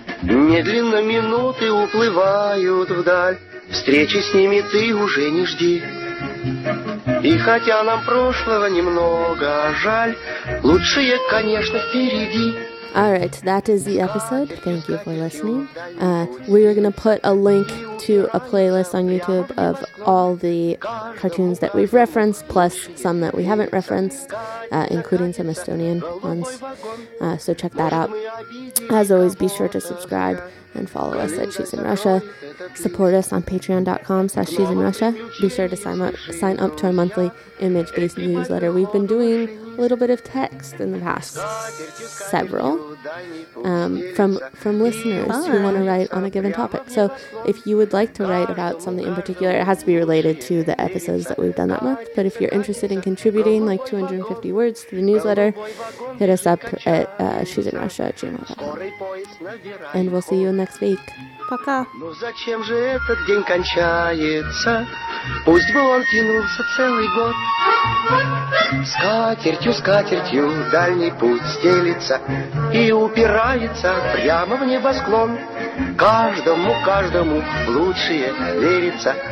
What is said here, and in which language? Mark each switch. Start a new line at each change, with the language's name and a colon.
Russian: Медленно минуты уплывают вдаль, встречи с ними ты уже не жди. И хотя нам прошлого немного жаль, лучшее, конечно, впереди.
English: All right, that is the episode. Thank you for listening. We are going to put a link to a playlist on YouTube of all the cartoons that we've referenced, plus some that we haven't referenced, including some Estonian ones. So check that out. As always, be sure to subscribe and follow us at She's in Russia. Support us on patreon.com/She's in Russia. Be sure to sign up to our monthly image-based newsletter. We've been doing a little bit of text in the past several from listeners who want to write on a given topic. So if you would like to write about something in particular, it has to be related to the episodes that we've done that month. But if you're interested in contributing like 250 words to the newsletter, hit us up at shesinrussia@gmail.com. And we'll see you next week.
Russian: Пока. Ну зачем же этот день кончается? Пусть бы он тянулся целый год. Скатертью дальний путь стелится и упирается прямо в небосклон. Каждому в лучшее верится.